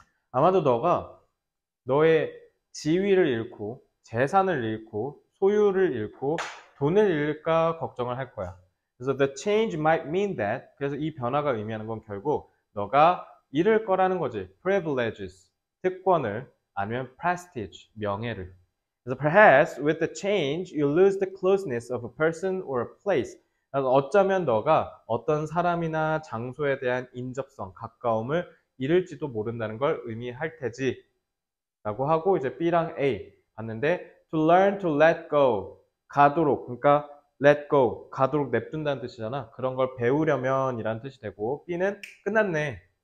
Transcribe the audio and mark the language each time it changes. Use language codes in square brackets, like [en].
[ko] 아마도 너가 너의 지위를 잃고, 재산을 잃고, 소유를 잃고, 돈을 잃을까 걱정을 할 거야. [en] 그래서 the change might mean that. [ko] 그래서 이 변화가 의미하는 건 결국 너가 잃을 거라는 거지. privileges, 특권을, 아니면 prestige, 명예를. [en] 그래서 perhaps with the change you lose the closeness of a person or a place. [ko] 그래서 어쩌면 너가 어떤 사람이나 장소에 대한 인접성, 가까움을 잃을지도 모른다는 걸 의미할 테지. 라고 하고 이제 B랑 A 봤는데 [en] to learn to let go [ko] 가도록 그러니까 let go 가도록 냅둔다는 뜻이잖아 그런 걸 배우려면 이란 뜻이 되고 B는 끝났네